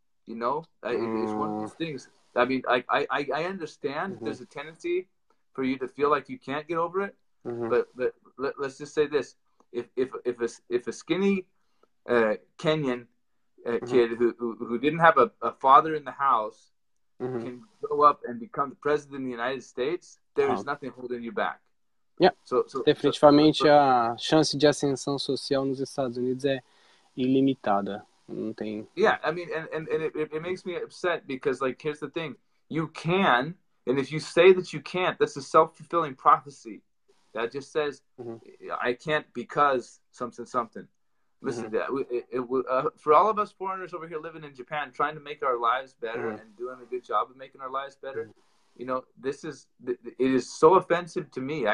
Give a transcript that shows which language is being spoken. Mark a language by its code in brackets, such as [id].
[en] You know, it's one of those things. I mean, I understand there's a tendency for you to feel like you can't get over it. Mm-hmm. But let's just say this. If a skinny Kenyan kid who didn't have a father in the house can grow up and become the president of the United States, there is nothing holding you back. Yeah. [pt] Definitivamente, a chance de ascensão social nos Estados Unidos é ilimitada. Não tem... [en] Yeah, I mean, and it makes me upset because, like, here's the thing. You can, and if you say that you can't, that's a self-fulfilling prophecy. That just says, I can't because something, something. Listen, for all of us foreigners over here living in Japan, trying to make our lives better and doing a good job of making our lives better, you know, it is so offensive to me.